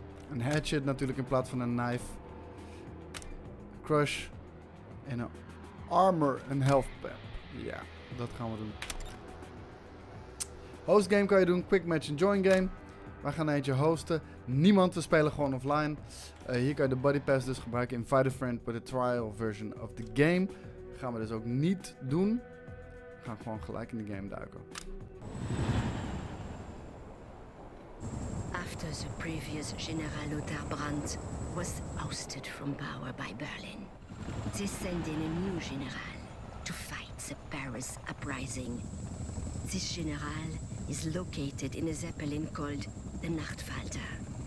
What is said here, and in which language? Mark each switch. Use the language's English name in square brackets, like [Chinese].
[Dutch] Een hatchet natuurlijk in plaats van een knife. Een crush. En een armor en health pump. Ja, dat gaan we doen. Host game kan je doen, quick match en join game. Wij gaan eentje hosten. Niemand, we spelen gewoon offline. Hier kan je de buddy pass dus gebruiken. [English] Invite a friend with a trial version of the game. [Dutch] Dat gaan we dus ook niet doen. We gaan gewoon gelijk in de game duiken. [English] After the previous General Lothar Brandt was ousted from power by Berlin, they send in a new general to fight the Paris uprising. This general is located in a zeppelin called the Nachtfalter.